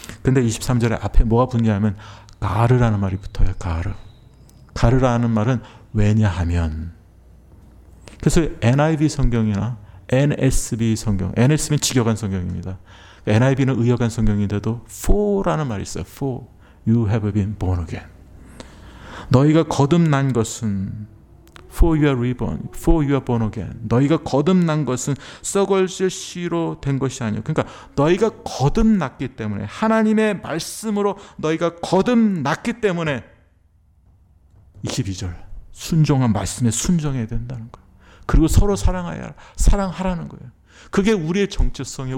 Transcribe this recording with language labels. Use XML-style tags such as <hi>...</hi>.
<ko>근데 23절에 앞에 뭐가 붙냐면 가르라는 말이 붙어요. 가르. 가르라는 말은 왜냐하면. 그래서 NIV 성경이나 NSB 성경, NSB는 직역한 성경입니다. NIV는 의역한 성경인데도 for라는 말이 있어요.</ko> <en>For you have been born again.</en> <ko>너희가 거듭난 것은</ko> <en>for you are reborn, for you are born again.</en> <ko>너희가 거듭난 것은 썩어질 씨로 된 것이 아니요. 그러니까 너희가 거듭났기 때문에 하나님의 말씀으로 너희가 거듭났기 때문에 22절 순종한 말씀에 순종해야 된다는 거예요. 그리고 서로 사랑해야 사랑하라는 거예요. 그게 우리의 정체성이에요.</ko>